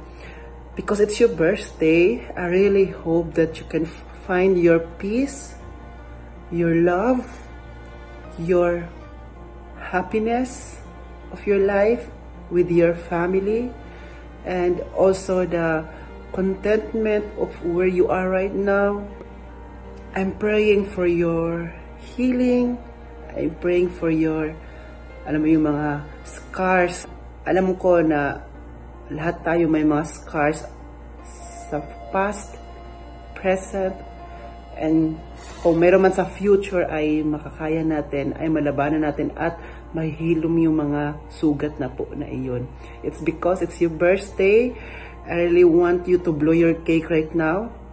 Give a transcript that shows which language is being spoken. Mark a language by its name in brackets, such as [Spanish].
[English] And because it's your birthday, I really hope that you can find your peace, your love, your happiness of your life with your family, and also the contentment of where you are right now. I'm praying for your healing. I'm praying for your, [Filipino] alam mo yung mga scars. Alam ko na lahat tayo may mga scars sa past, present, and kung meron man sa future ay makakaya natin, ay malabanan natin at mahilom yung mga sugat na po na iyon. [English] It's because it's your birthday. I really want you to blow your cake right now.